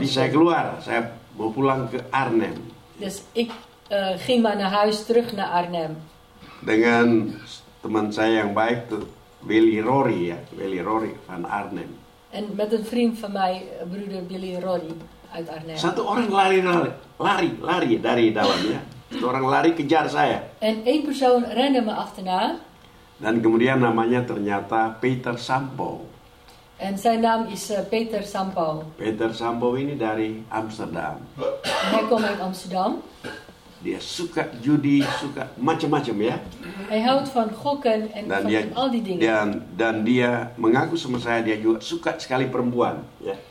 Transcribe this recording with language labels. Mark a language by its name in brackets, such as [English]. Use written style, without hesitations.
[Indonesian] Jadi saya keluar, saya mau pulang ke Arnhem. [Dutch] Dus ik ging maar naar huis, terug naar Arnhem. [Indonesian] Dengan teman saya yang baik tuh, Willy Rory ya, Willy Rory van Arnhem. [Dutch] En met een vriend van mij, broeder Willy Rory. [Indonesian] Satu orang lari dari dalamnya. Satu orang lari kejar saya. [Dutch] En één persoon rende me achterna. [Indonesian] Dan kemudian namanya ternyata Peter Sampo. [Dutch] En zijn naam is Peter Sampo. [Indonesian] Peter Sampo ini dari Amsterdam. [Dutch] En hij komt uit Amsterdam. [Indonesian] Dia suka judi, suka macam-macam ya. [Dutch] Hij houdt van gokken en dan van dia, al die dingen. [Indonesian] Dan dia mengaku sama saya dia juga suka sekali perempuan, ya.